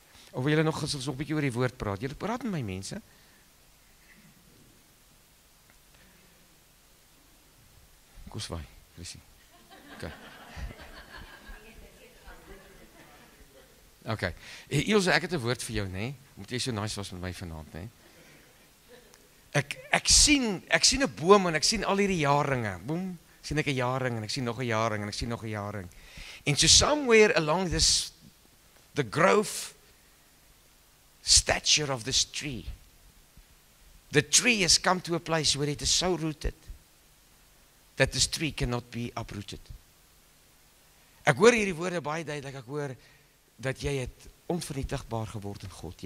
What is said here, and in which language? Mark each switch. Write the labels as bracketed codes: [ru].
[af] Of wil julle nog gesels so bietjie oor die woord praat? Julle praat met my mense. Kom swaai, Chrissie. Okay. Oké, okay. Ilse, ek het een woord vir jou, nee, omdat jy so nice was met my vanavond, nee. Ek sien een boom en ek sien al hierdie jaringe, boom, sien ek een jaring en ek sien nog een jaring en ek sien nog een jaring. [en] En so somewhere along this, the growth stature of this tree, the tree has come to a place where it is so rooted, that this tree cannot be uprooted. [af] Ek hoor hierdie woorde baie duidelik, ek hoor, dat jy het onvernietigbaar geword in God.